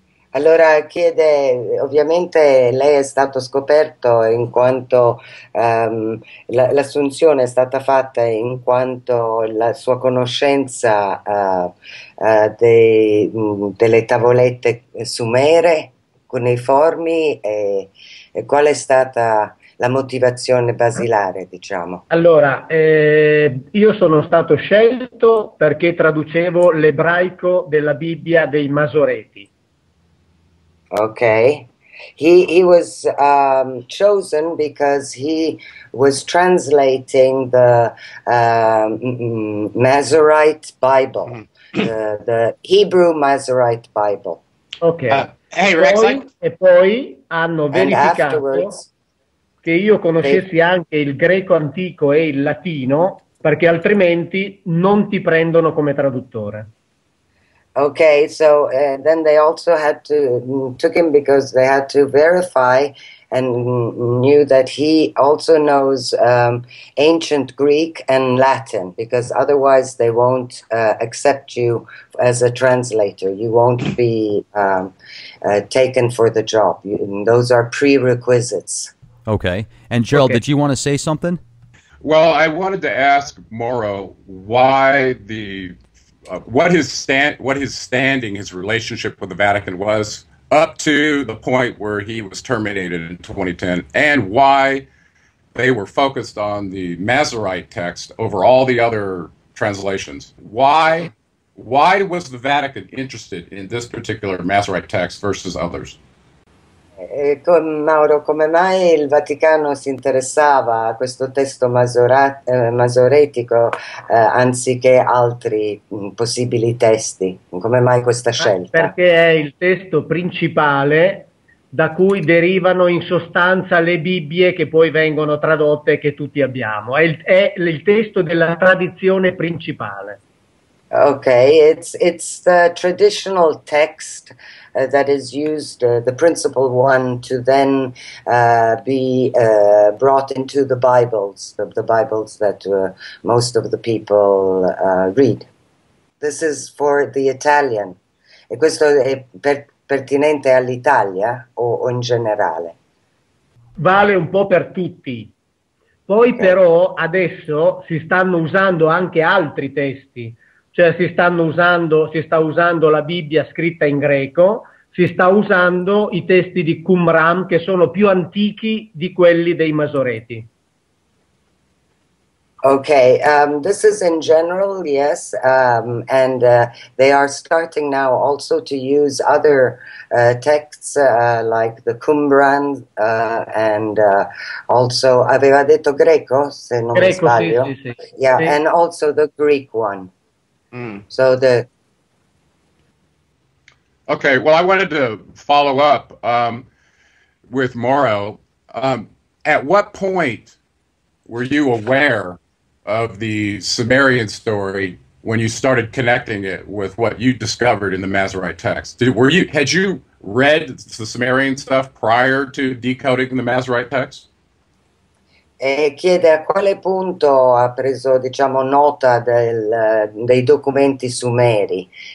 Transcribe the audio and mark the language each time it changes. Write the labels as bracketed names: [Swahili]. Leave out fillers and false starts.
[Italian] Allora chiede, ovviamente lei è stato scoperto in quanto l'assunzione è stata fatta in quanto la sua conoscenza delle tavolette sumere con i formi e qual è stata la motivazione basilare, diciamo. Allora, io sono stato scelto perché traducevo l'ebraico della Bibbia dei Masoreti. [English] Okay, he was chosen because he was translating the Masorite Bible, the Hebrew Masorite Bible. Okay. Hey Rex. [Italian] E poi hanno verificato che io conoscessi anche il greco antico e il latino, perché altrimenti non ti prendono come traduttore. [English] Okay, so then they also had to took him because they had to verify and knew that he also knows ancient Greek and Latin, because otherwise they won't accept you as a translator. You won't be taken for the job. Those are prerequisites. Okay, and Gerald, okay. Did you want to say something? Well, I wanted to ask Mauro why what his standing, his relationship with the Vatican was up to the point where he was terminated in 2010, and why they were focused on the Masoretic text over all the other translations. Why was the Vatican interested in this particular Masoretic text versus others? [Italian] Mauro, come mai il Vaticano si interessava a questo testo masoretico anziché altri possibili testi? Come mai questa scelta? Perché è il testo principale da cui derivano in sostanza le Bibbie che poi vengono tradotte e che tutti abbiamo. È il testo della tradizione principale. [English] Okay, it's the traditional text that is used, the principal one, to then be brought into the Bibles that most of the people read. This is for the Italian. [Italian] E questo è pertinente all'Italia o in generale? Vale un po' per tutti. Poi okay. Però adesso si stanno usando anche altri testi. Cioè si sta usando la Bibbia scritta in greco, si sta usando i testi di Qumran che sono più antichi di quelli dei Masoreti. [English] Okay, this is in general, yes, and they are starting now also to use other texts like the Qumran and also [Italian] aveva detto greco, se non greco, mi sbaglio. Sì, sì, sì. [English] Yeah, [Italian] sì. [English] And also the Greek one. So okay, well, I wanted to follow up with Mauro. At what point were you aware of the Sumerian story when you started connecting it with what you discovered in the Masoretic text? Had you read the Sumerian stuff prior to decoding the Masoretic text? [Italian] E chiede a quale punto ha preso, diciamo, nota dei documenti sumeri.